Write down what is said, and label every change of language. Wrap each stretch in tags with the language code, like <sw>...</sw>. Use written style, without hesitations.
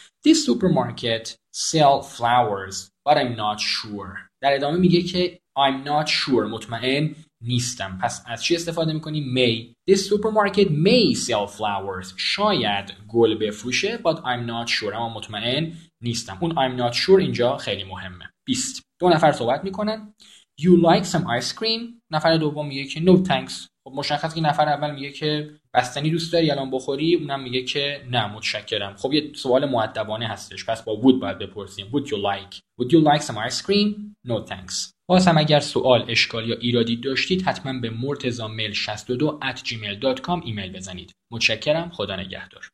<en>This supermarket sell flowers but I'm not sure.</en> <fa>در ادامه میگه که</fa> <en>I'm not sure،</en> <fa>مطمئن نیستم. پس از چی استفاده میکنی؟ may.</fa> <en>This supermarket may sell flowers،</en> <fa>شاید گل بفروشه،</fa> <en>but I'm not sure،</en> <fa>اما مطمئن نیستم. اون</fa> <en>I'm not sure</en> <fa>اینجا خیلی مهمه. 20. دو نفر صحبت میکنن.</fa> <en>You like some ice cream؟</en> <fa>نفر دوم میگه که</fa> <en>no thanks.</en> <fa>خب مشخص که نفر اول میگه که بستنی دوست داری الان بخوری، اونم میگه که نه متشکرم. خب یه سوال مؤدبانه هستش، پس با would باید بپرسیم.</fa> <en>Would you like some ice cream؟ No thanks.</en> <fa>باز هم اگر سوال، اشکال یا ایرادی داشتید حتما به مرتضی میل 62@gmail.com ایمیل بزنید. متشکرم، خدا نگهدار.</fa>